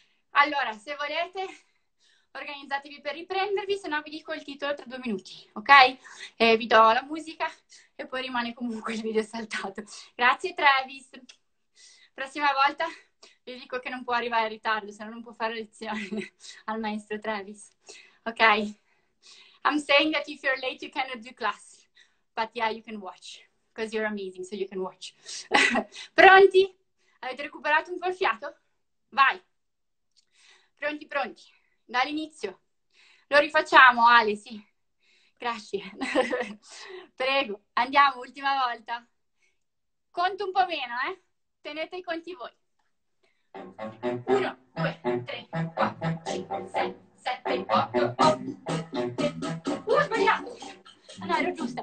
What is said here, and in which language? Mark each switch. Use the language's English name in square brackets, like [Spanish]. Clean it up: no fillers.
[Italian] Allora, se volete, organizzatevi per riprendervi, se no vi dico il titolo tra 2 minuti, ok? E vi do la musica e poi rimane comunque il video saltato. Grazie, Travis. Prossima volta vi dico che non può arrivare in ritardo, se no non può fare lezione al maestro Travis. Ok? [English] I'm saying that if you're late, you cannot do class. But yeah, you can watch. Because you're amazing, so you can watch. [Italian] Pronti? Avete recuperato un po' il fiato? Vai! Pronti, pronti. Dall'inizio. Lo rifacciamo, Ale, sì. Grazie. Prego, andiamo, ultima volta. Conto un po' meno, eh? Tenete i conti voi. 1, 2, 3, 4, 5, 6, 7, 8, 9. Ho sbagliato! No, ero giusta.